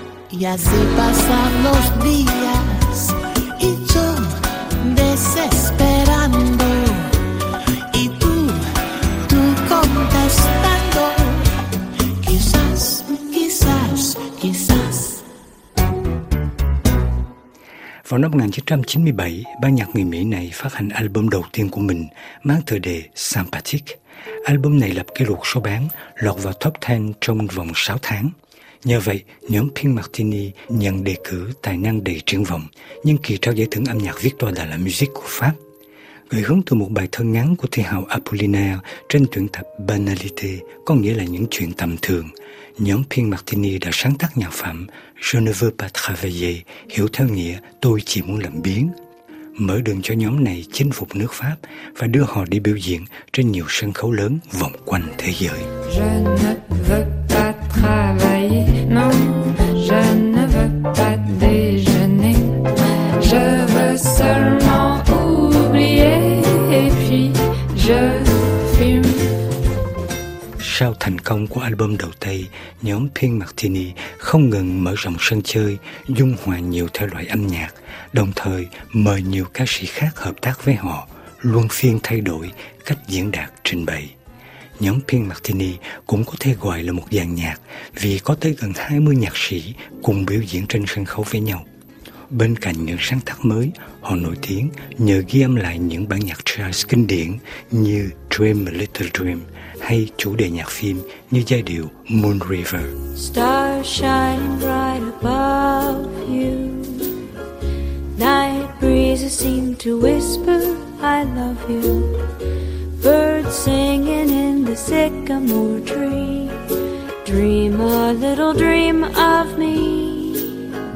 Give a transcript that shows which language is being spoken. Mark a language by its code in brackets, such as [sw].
[es] Y así pasan los días y yo desesperando y tú contestando, quizás, quizás, quizás. [vi] Vào năm 1997, ban nhạc người Mỹ này phát hành album đầu tiên của mình mang tựa đề Sympathic. Album này lập kỷ lục số bán, lọt vào top 10 trong vòng 6 tháng. Nhờ vậy, nhóm Pink Martini nhận đề cử tài năng đầy triển vọng nhân kỳ trao giải thưởng âm nhạc Victoire de la Musique của Pháp. Gợi hướng từ một bài thơ ngắn của thi hào Apollinaire trên tuyển tập Banalité, có nghĩa là những chuyện tầm thường, nhóm Pink Martini đã sáng tác nhạc phẩm Je ne veux pas travailler, hiểu theo nghĩa tôi chỉ muốn làm biếng, mở đường cho nhóm này chinh phục nước Pháp và đưa họ đi biểu diễn trên nhiều sân khấu lớn vòng quanh thế giới. [fr] Je ne veux pas travailler, non, je ne veux pas déjeuner, je veux seulement oublier et puis je fume. [vi] Sau thành công của album đầu tay, nhóm Pink Martini không ngừng mở rộng sân chơi, dung hòa nhiều thể loại âm nhạc, đồng thời mời nhiều ca sĩ khác hợp tác với họ, luân phiên thay đổi cách diễn đạt trình bày. Nhóm Pink Martini cũng có thể gọi là một dàn nhạc vì có tới gần 20 nhạc sĩ cùng biểu diễn trên sân khấu với nhau. Bên cạnh những sáng tác mới, họ nổi tiếng nhờ ghi âm lại những bản nhạc jazz kinh điển như Dream a Little Dream hay chủ đề nhạc phim như giai điệu Moon River. [en] Star shining bright above you. Night breezes seem to whisper I love you. Birds singing in the sycamore tree. Dream a little dream of me.